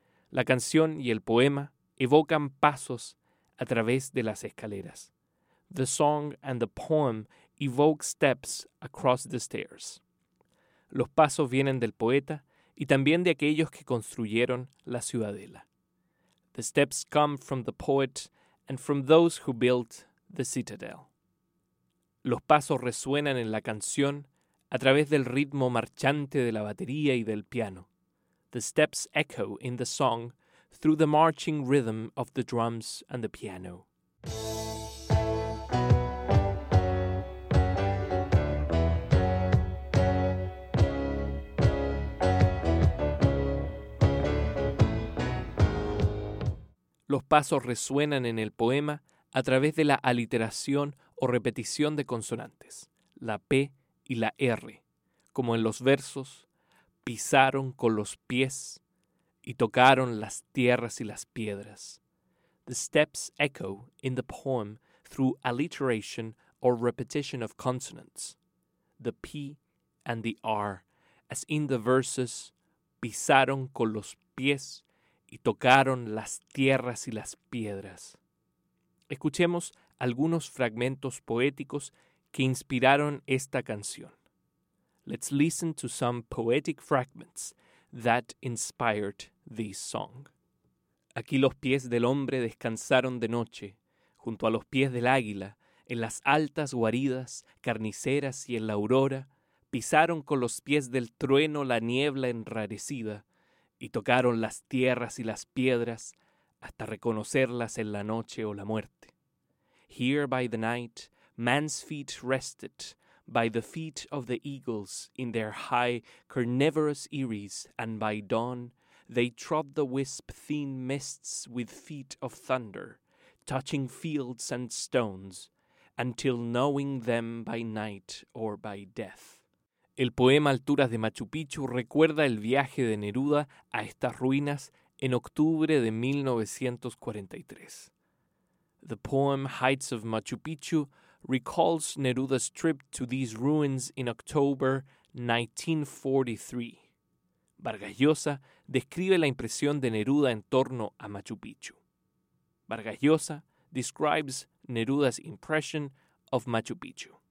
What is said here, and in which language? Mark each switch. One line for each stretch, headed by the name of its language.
Spanish: La canción y el poema evocan pasos a través de las escaleras.
English: The song and the poem evoke steps across the stairs.
Spanish: Los pasos vienen del poeta y también de aquellos que construyeron la ciudadela.
English: The steps come from the poet and from those who built the citadel.
Spanish: Los pasos resuenan en la canción a través del ritmo marchante de la batería y del piano.
English: The steps echo in the song through the marching rhythm of the drums and the piano.
Spanish: Los pasos resuenan en el poema a través de la aliteración o repetición de consonantes, la P y la R, como en los versos, pisaron con los pies y tocaron las tierras y las piedras.
English: The steps echo in the poem through alliteration or repetition of consonants, the P and the R, as in the verses,
Spanish: pisaron con los pies y tocaron las tierras y las piedras. Escuchemos algunos fragmentos poéticos que inspiraron esta canción.
English: Let's listen to some poetic fragments that inspired this song.
Spanish: Aquí los pies del hombre descansaron de noche, junto a los pies del águila, en las altas guaridas, carniceras y en la aurora, pisaron con los pies del trueno la niebla enrarecida y tocaron las tierras y las piedras hasta reconocerlas en la noche o la muerte.
English: Here by the night, man's feet rested, by the feet of the eagles in their high, carnivorous eyries, and by dawn they trod the wisp-thin mists with feet of thunder, touching fields and stones, until knowing them by night or by death.
Spanish: El poema Alturas de Machu Picchu recuerda el viaje de Neruda a estas ruinas en octubre de 1943.
English: The poem Heights of Machu Picchu recalls Neruda's trip to these ruins in October 1943.
Spanish: Vargas Llosa describe la impresión de Neruda en torno a Machu Picchu.
English: Vargas Llosa describes Neruda's impression of Machu Picchu.